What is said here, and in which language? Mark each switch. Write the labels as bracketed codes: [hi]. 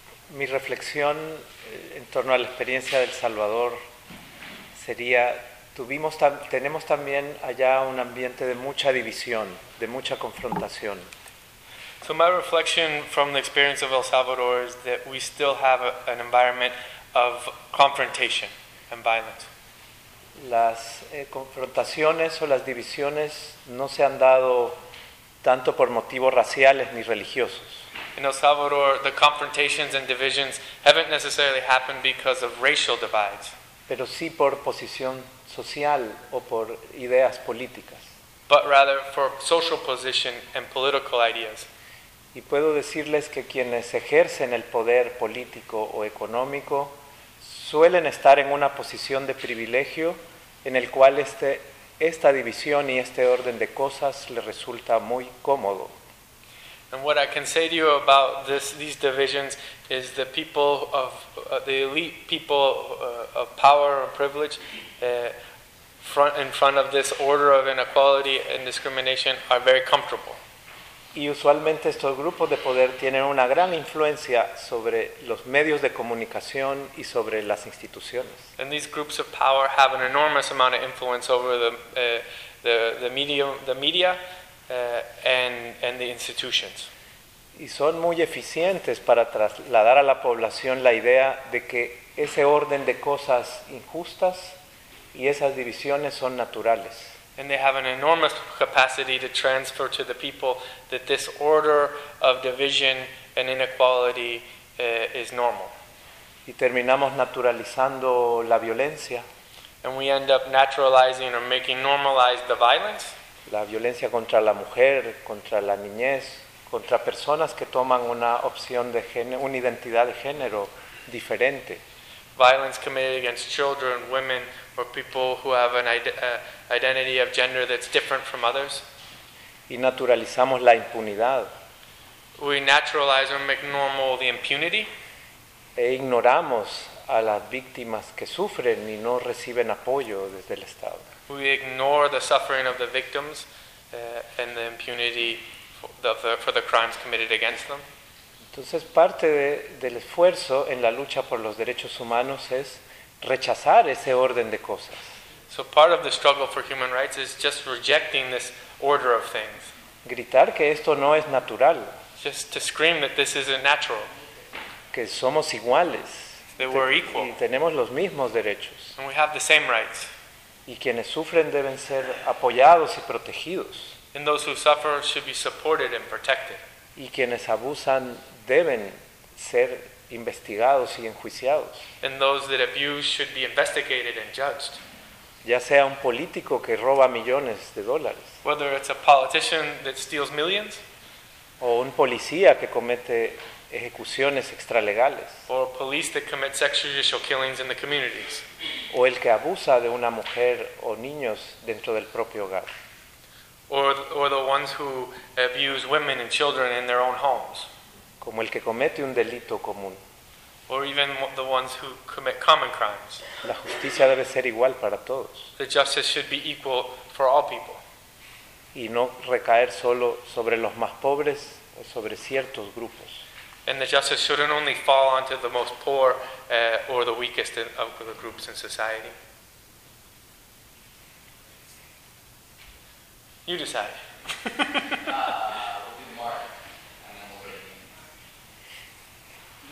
[es] Mi reflexión en torno a la experiencia del Salvador sería, tenemos también allá un ambiente de mucha división, de mucha confrontación. [en] So my reflection from the experience of El Salvador is that we still have an environment of confrontation and violence. [es] Las confrontaciones o las divisiones no se han dado tanto por motivos raciales ni religiosos. [en] In El Salvador, the confrontations and divisions haven't necessarily happened because of racial divides. [es] Pero sí por posición social o por ideas políticas. [en] But rather for social position and political ideas. [es] Y puedo decirles que quienes ejercen el poder político o económico suelen estar en una posición de privilegio en el cual esta división y este orden de cosas le resulta muy cómodo. [en] And what I can say to you about these divisions is the people of the elite people of power or privilege in front of this order of inequality and discrimination are very comfortable. [es] Y usualmente estos grupos de poder tienen una gran influencia sobre los medios de comunicación y sobre las instituciones. [en] And these groups of power have an enormous amount of influence over the media. And the institutions. [es] Y son muy eficientes para trasladar a la población la idea de que ese orden de cosas injustas y esas divisiones son naturales. [en] And they have an enormous capacity to transfer to the people that this order of division and inequality is normal. [es] Y terminamos naturalizando la violencia. [en] And we end up naturalizing or making normalized the violence. [es] La violencia contra la mujer, contra la niñez, contra personas que toman una opción de género, una identidad de género diferente. [en] Violence committed against children, women, or people who have an identity of gender that's different from others. [es] Y naturalizamos la impunidad. [en] We naturalize or make normal the impunity. [es] E ignoramos a las víctimas que sufren y no reciben apoyo desde el Estado. [en] We ignore the suffering of the victims and the impunity for the crimes committed against them. [es] Entonces, parte del esfuerzo en la lucha por los derechos humanos es rechazar ese orden de cosas. [en] So part of the struggle for human rights is just rejecting this order of things. [es] Gritar que esto no es natural. [en] Just to scream that this isn't natural. [es] Que somos iguales. [en] That we're equal. [es] Y tenemos los mismos derechos. [en] And we have the same rights. [es] Y quienes sufren deben ser apoyados y protegidos. [en] And those who suffer should be supported and protected. [es] Y quienes abusan deben ser investigados y enjuiciados. [en] And those that abuse should be investigated and judged. [es] Ya sea un político que roba millones de dólares. [en] Whether it's a politician that steals millions. [es] O un policía que comete ejecuciones extralegales. [en] Or police that commit extrajudicial killings in the communities. [es] O el que abusa de una mujer o niños dentro del propio hogar. [en] Or the ones who abuse women and children in their own homes. [es] Como el que comete un delito común. [en] Or even the ones who commit common crimes. [es] La justicia debe ser igual para todos. [en] The justice should be equal for all people. [es] Y no recaer solo sobre los más pobres o sobre ciertos grupos. [en] And the justice shouldn't only fall onto the most poor or the weakest of the groups in society. You decide. We'll do Mark, and then we'll go to Dean.